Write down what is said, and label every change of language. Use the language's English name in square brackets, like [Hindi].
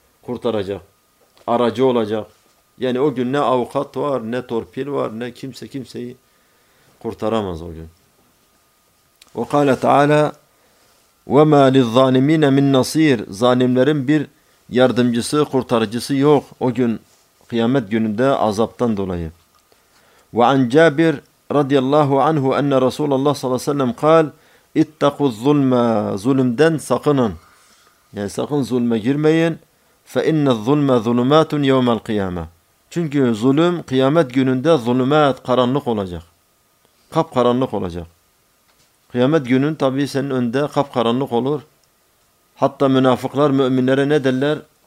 [Turkish] Kurtaracak, aracı olacak. Yani o gün ne avukat var, ne torpil var, ne kimse kimseyi kurtaramaz o gün. [Arabic] وَقَالَ تَعَالَى وَمَا لِلظَّانِمِينَ مِنْ نَصِيرٍ [Turkish] Zalimlerin bir yardımcısı, kurtarıcısı yok o gün, kıyamet gününde azaptan dolayı. [Arabic] وَعَنْ جَابِرْ رَضِيَ اللّٰهُ عَنْهُ اَنَّ رَسُولَ اللّٰهُ صَلَى سَلَّمْ قَالْ اِتَّقُوا الظُّلْمَ [Turkish] Zulümden sakının. Yani sakın zulme girmeyin. [Arabic] فَاِنَّ الظُّلْمَ ظُلُمَاتٌ يَوْمَ الْقِيَامَةِ [Turkish] Çünkü zulüm kıyamet gününde zulümat, karanlık olacak. Kapkaranlık olacak. Kıyamet günün tabi senin önünde kapkaranlık olur. Hatta münafıklar müminlere ne derler?